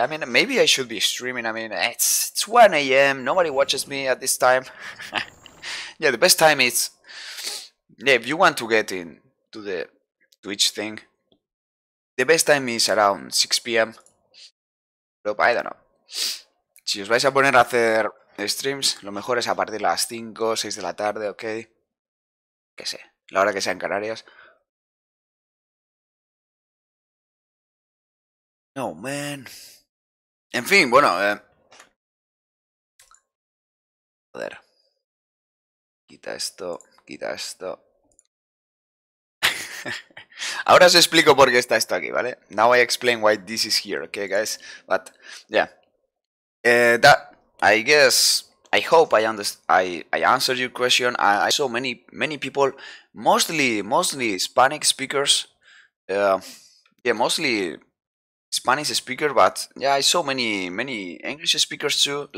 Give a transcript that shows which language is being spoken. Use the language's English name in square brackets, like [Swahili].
[English] I mean, maybe I should be streaming. I mean, it's 1 a.m. Nobody watches me at this time. Yeah, the best time is. Yeah, if you want to get in to the Twitch thing, the best time is around 6 p.m. Nope, I don't know. [Spanish] Si os vais a poner a hacer streams, lo mejor es a partir de las 5, 6 de la tarde, ¿ok? Que sé, la hora que sea en Canarias. [English] No, man. [Spanish] En fin, bueno, joder. Quita esto, quita esto. Ahora os explico por qué está esto aquí, ¿vale? [English] Now I explain why this is here, okay, guys? But, yeah. I guess, I hope I answered your question. I saw many people, mostly Hispanic speakers. Yeah, mostly Spanish speaker, but yeah, I saw many English speakers too.